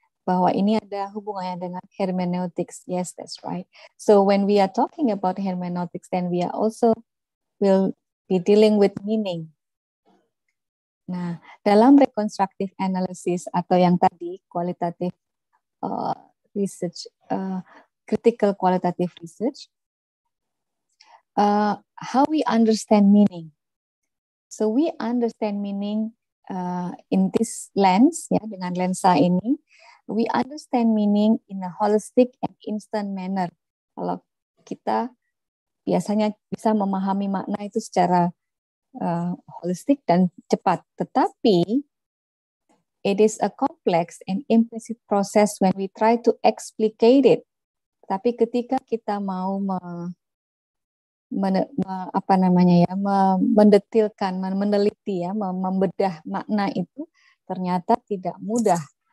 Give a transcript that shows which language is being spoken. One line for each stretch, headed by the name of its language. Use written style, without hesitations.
Indonesian: Bahwa ini ada hubungannya dengan hermeneutics.
English: Yes, that's right. So when we are talking about hermeneutics, then we are also will be dealing with meaning.
Indonesian: Nah, dalam
English: reconstructive analysis
Indonesian: atau yang tadi
English: qualitative research, critical qualitative research, how we understand meaning. So we understand meaning in this lens,
Indonesian: ya, dengan lensa ini.
English: We understand meaning in a holistic and instant manner.
Indonesian: Kalau kita biasanya bisa memahami makna itu secara holistik dan cepat. Tetapi,
English: it is a complex and implicit process when we try to explicate it.
Indonesian: Tapi ketika kita mau membedah makna itu, ternyata tidak mudah.